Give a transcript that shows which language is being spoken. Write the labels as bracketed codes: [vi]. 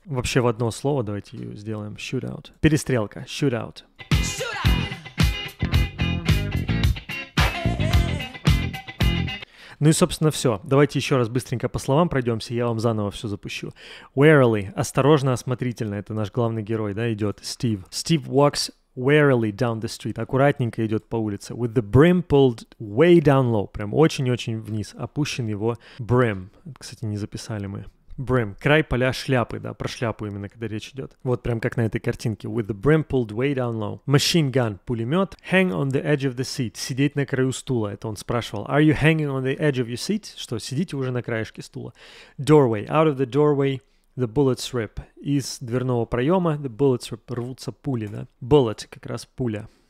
[ru] Вообще в одно слово давайте ее сделаем shootout. Перестрелка, shootout. Ну и, собственно, все. Давайте еще раз быстренько по словам пройдемся, я вам заново все запущу. Warily, осторожно, осмотрительно, это наш главный герой, да, идет, Стив. Стив [en] walks warily down the street, [ru] аккуратненько идет по улице, [en] with the brim pulled way down low, [ru] прям очень-очень вниз, опущен его brim, кстати, не записали мы, brim, край поля шляпы, да, про шляпу именно, когда речь идет, вот прям как на этой картинке, with the brim pulled way down low, machine gun, пулемет, [en] hang on the edge of the seat, [ru] сидеть на краю стула, это он спрашивал, [en] are you hanging on the edge of your seat, [ru] что, сидите уже на краешке стула, doorway, [en] out of the doorway, the bullets rip. [ru] Из дверного проема [en] the bullets rip. [ru] Рвутся пули, да? Bullet, как раз пуля.